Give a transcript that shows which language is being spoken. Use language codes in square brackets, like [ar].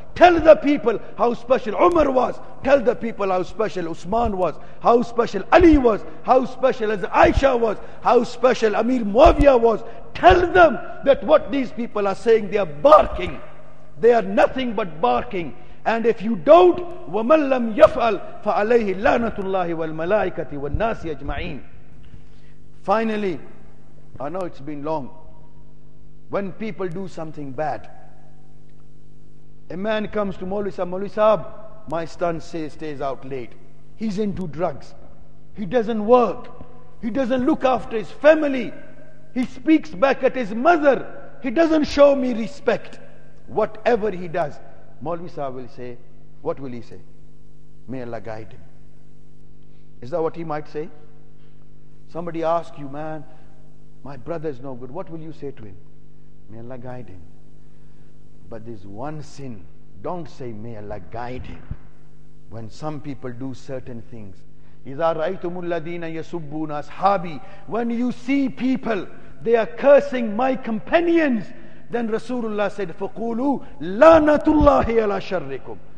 [en] Tell the people how special Umar was. Tell the people how special Usman was. How special Ali was. How special as Aisha was. How special Amir Muawiyah was. Tell them that what these people are saying, they are barking. They are nothing but barking. And if you don't, [ar] وَمَنْ لَمْ يَفْعَلْ فَعَلَيْهِ لَعْنَةُ اللَّهِ وَالْمَلَائِكَةِ وَالنَّاسِ أَجْمَعِينَ. [en] Finally, I know it's been long. When people do something bad, a man comes to Maulvi Sahab, Maulvi Sahab, my son stays out late. He's into drugs. He doesn't work. He doesn't look after his family. He speaks back at his mother. He doesn't show me respect. Whatever he does, Maulvi Sahab will say, what will he say? May Allah guide him. Is that what he might say? Somebody asks you, man, my brother is no good. What will you say to him? May Allah guide him. But there's one sin. Don't say, may Allah guide him. When some people do certain things. [ar] إِذَا رَأَيْتُمُ الَّذِينَ يَسُبُّونَ أَصْحَابِي. [en] When you see people, they are cursing my companions. Then Rasulullah said, [ar] فَقُولُوا لَانَةُ اللَّهِ عَلَىٰ شَرِّكُمْ.